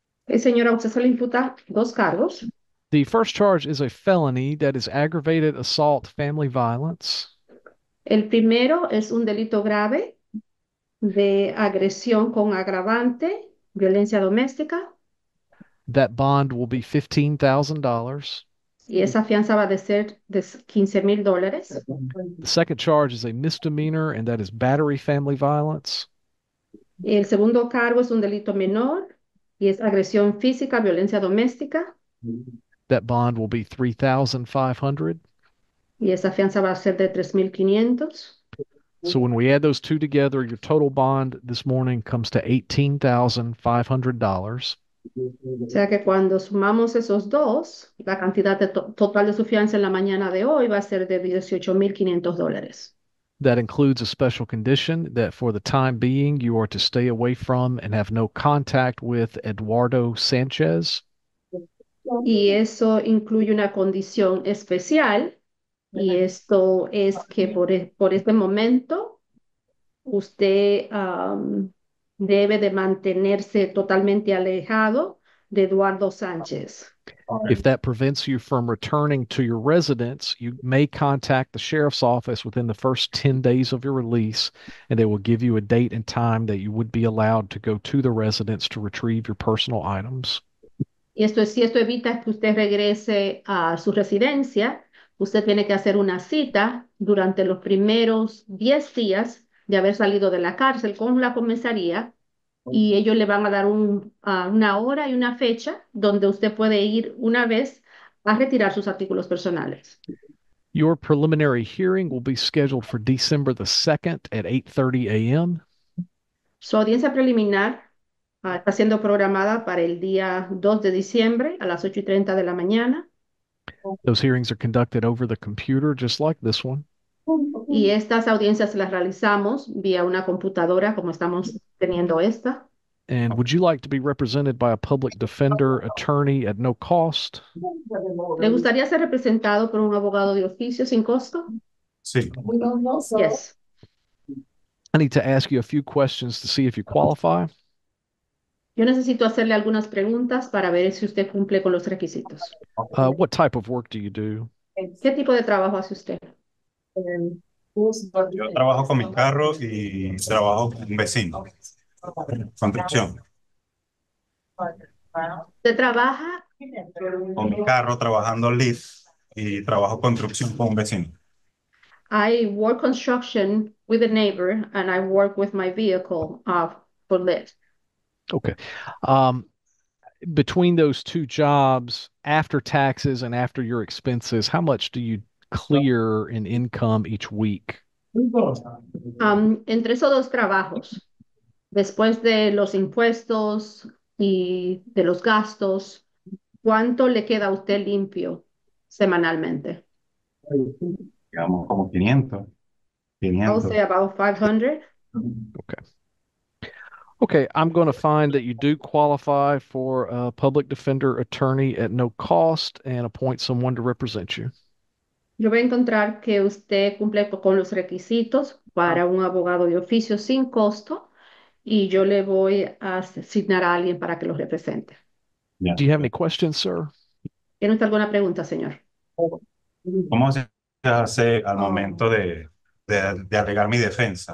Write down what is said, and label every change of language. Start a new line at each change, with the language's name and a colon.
Spanish: El señor a usted se le imputa dos cargos.
English: The first charge is a felony that is aggravated assault, family violence.
Spanish: El primero es un delito grave de agresión con agravante, violencia doméstica.
English: That bond will be $15,000.
Spanish: Y esa fianza va a ser de $15,000.
English: The second charge is a misdemeanor, and that is battery family violence.
Spanish: El segundo cargo es un delito menor y es agresión física, violencia doméstica.
English: That bond will be $3,500.
Spanish: Y esa fianza va a ser de $3,500.
English: So when we add those two together, your total bond this morning comes to $18,500.
Spanish: O sea que cuando sumamos esos dos, la cantidad de to total de su fianza en la mañana de hoy va a ser de $18,500.
English: That includes a special condition that for the time being you are to stay away from and have no contact with Eduardo Sanchez.
Spanish: Y eso incluye una condición especial, y esto es que por este momento usted debe de mantenerse totalmente alejado de Eduardo Sánchez.
English: If that prevents you from returning to your residence, you may contact the sheriff's office within the first 10 days of your release, and they will give you a date and time that you would be allowed to go to the residence to retrieve your personal items.
Spanish: Esto es, si esto evita que usted regrese a su residencia, usted tiene que hacer una cita durante los primeros 10 días de haber salido de la cárcel con la comisaría. Y ellos le van a dar una hora y una fecha donde usted puede ir una vez a retirar sus artículos personales.
English: Your preliminary hearing will be scheduled for December the 2nd at 8:30 a.m.
Spanish: Su audiencia preliminar está siendo programada para el día 2 de diciembre a las 8:30 de la mañana.
English: Those hearings are conducted over the computer, just like this one.
Spanish: Y estas audiencias las realizamos vía una computadora, como estamos teniendo esta.
English: And would you like to be represented by a public defender attorney at no cost?
Spanish: ¿Le gustaría ser representado por un abogado de oficio sin costo? Sí.
English: Yes. I need to ask you a few questions to see if you qualify.
Spanish: Yo necesito hacerle algunas preguntas para ver si usted cumple con los requisitos.
English: What type of work do you do?
Spanish: ¿Qué tipo de trabajo hace usted? Yo trabajo con mis carros y trabajo con un vecino. Construcción. ¿Usted trabaja? Con mi carro trabajando lift y trabajo construcción con un vecino.
English: I work construction with a neighbor and I work with my vehicle for Lyft. Okay. Between those two jobs, after taxes and after your expenses, how much do you clear in income each week?
Spanish: Entre esos dos trabajos, después de los impuestos y de los gastos, ¿cuánto le queda a usted limpio semanalmente? Digamos como 500.
English: I would say 500. about 500. Okay, I'm going to find that you do qualify for a public defender attorney at no cost and appoint someone to represent you.
Spanish: Yo voy a encontrar que usted cumple con los requisitos para un abogado de oficio sin costo y yo le voy a asignar a alguien para que lo represente.
English: Do you have any questions, sir?
Spanish: ¿Tiene usted alguna pregunta, señor? ¿Cómo se hace al momento de alegar mi defensa?